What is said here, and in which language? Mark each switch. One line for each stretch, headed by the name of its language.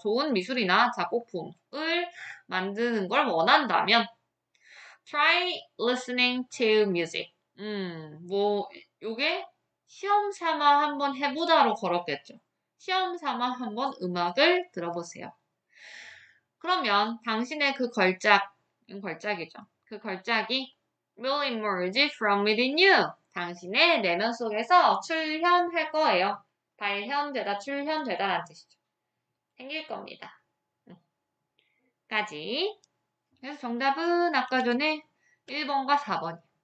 Korean: 좋은 미술이나 작곡품을 만드는 걸 원한다면,
English: try listening to music.
Korean: 뭐, 요게 시험 삼아 한번 해보자로 걸었겠죠. 시험 삼아 한번 음악을 들어보세요. 그러면 당신의 그 걸작, 걸작이죠. 그 걸작이
English: will emerge from within you.
Korean: 당신의 내면 속에서 출현할 거예요. 발현되다, 출현되다라는 뜻이죠. 생길 겁니다. 까지. 그래서 정답은 아까 전에 1번과 4번.